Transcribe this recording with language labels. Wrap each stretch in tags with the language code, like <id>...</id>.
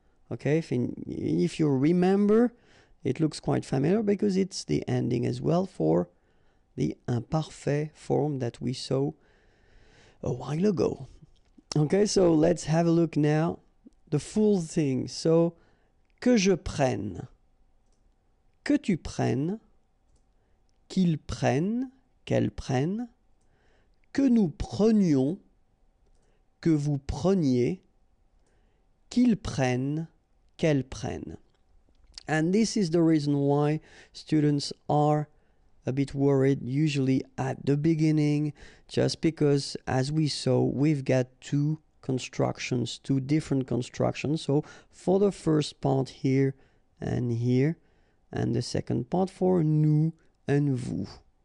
<en>Okay, if you remember, it looks quite familiar because it's the ending as well for the imparfait form that we saw a while ago. Okay, so let's have a look now, the full thing.</en> <fr>So, que je prenne, que tu prennes, qu'il prenne, qu'elles prennent, que nous prenions, que vous preniez, qu'ils prennent, qu'elles prennent.</fr> <en>And this is the reason why students are a bit worried, usually at the beginning, just because, as we saw, we've got two constructions, two different constructions. So for the first part here and here, and the second part for nous and vous.</en>